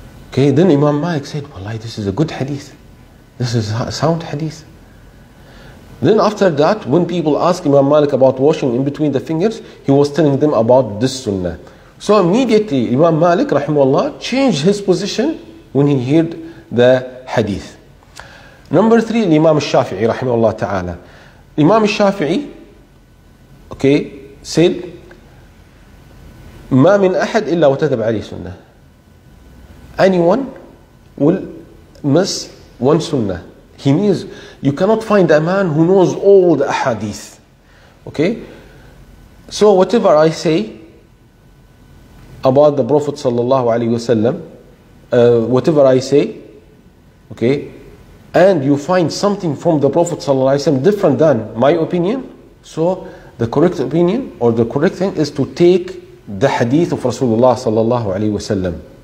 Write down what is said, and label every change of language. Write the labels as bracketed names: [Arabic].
[English] Okay, then Imam Malik said, wallahi, this is a good hadith. This is a sound hadith. Then after that, when people ask Imam Malik about washing in between the fingers, he was telling them about this sunnah. So immediately Imam Malik, rahimahullah, changed his position when he heard the hadith. Number three, Imam Shafi'i, rahimahullah ta'ala. Imam Shafi'i, okay, said, [Arabic] ما من أحد إلا وتتبع عليه سنة. [English] Anyone will miss one sunnah. He means you cannot find a man who knows all the ahadith. Okay? So whatever I say about the Prophet sallallahu alayhi wa sallam, whatever I say, okay, and you find something from the Prophet sallallahu alayhi wa sallam different than my opinion, so the correct opinion or the correct thing is to take the hadith of Rasulullah sallallahu alayhi wa sallam.